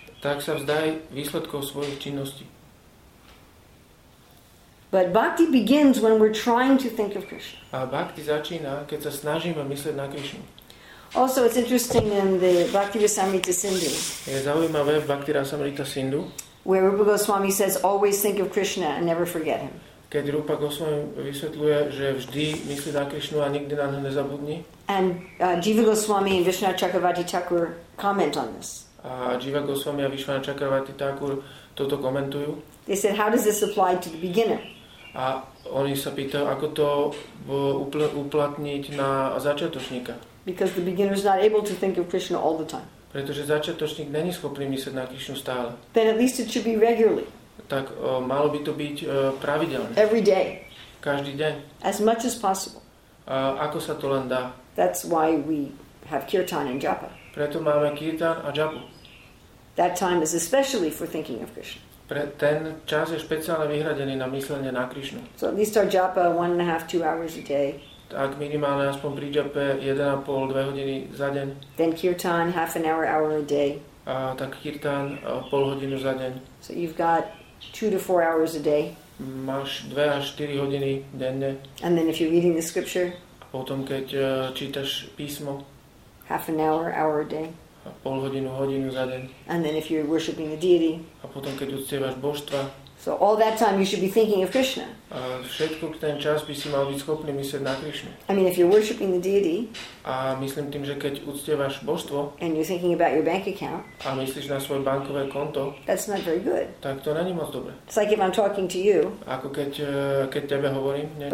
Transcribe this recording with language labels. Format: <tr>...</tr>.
<sk>Tak sa vzdaj výsledkov svojich činností.</sk> <en>But bhakti begins when we're trying to think of Krishna.</en> <sk>A bhakti začína, keď sa snažíme myslieť na Krishnu.</sk> <en>Also, it's interesting in the Bhakti Rasamrita Sindhu.</en> <sk>Je zaujímavé v Bhakti Rasamrita Sindhu.</sk> <en>Where Rupa Goswami says, always think of Krishna and never forget him.</en> <sk>Keď Rupa Goswami vysvetľuje, že vždy myslí na Krishnu a nikdy na ňu nezabudni.</sk> <en>And Jiva Goswami and Vishnu Chakravarti Thakur comment on this.</en> <sk>A Jiva Goswami a Vishnu Chakravarti Thakur toto komentujú.</sk> <en>They said, how does this apply to the beginner?</en> <sk>A oni sa pýtajú, ako to uplatniť na začiatočníka.</sk> <en>Because the beginner is not able to think of Krishna all the time.</en> <sk>Pretože začiatočník není schopný myslieť na Krishnu stále.</sk> <en>Then at least it should be regularly.</en> <sk>Tak malo by to byť pravidelne.</sk> <en>Every day.</en> <sk>Každý deň.</sk> <en>As much as possible.</en> <sk>Ako sa to len dá.</sk> <en>That's why we have kirtan and japa.</en> <sk>Preto máme kirtan a japu.</sk> <en>That time is especially for thinking of Krishna.</en> <sk>Ten čas je špeciálne vyhradený na myslenie na Krishnu.</sk> <en>So at least our japa 1.5-2 hours a day.</en> <sk>Tak minimálne aspoň pri džape 1,5-2 hodiny za deň.</sk> <en>Then kirtan, half an hour, hour a day.</en> <sk>A tak kirtan, pol hodinu za deň.</sk> <en>So you've got 2 to 4 hours a day.</en> <sk>Máš 2-4 hodiny denne.</sk> <en>And then if you're reading the scripture.</en> <sk>A potom keď čítaš písmo.</sk> <en>Half an hour, hour a day.</en> <sk>A pol hodinu, hodinu za deň.</sk> <en>And then if you're worshiping the deity.</en> <sk>A potom keď uctievaš božstva.</sk> <en>So all that time you should be thinking of Krishna.</en> <sk>Všetko ten čas by si mal byť schopný myslieť na Krishnu.</sk> <en>I mean, if you're worshiping the deity.</en> <sk>A myslím tým, že keď uctievaš božstvo.</sk> <en>And you're thinking about your bank account.</en> <sk>A myslíš na svoje bankové konto.</sk> <en>That's not very good.</en> <sk>Tak to není moc dobre.</sk> <en>It's like if I'm talking to you.</en> <sk>Ako keď tebe hovorím niečo.</sk>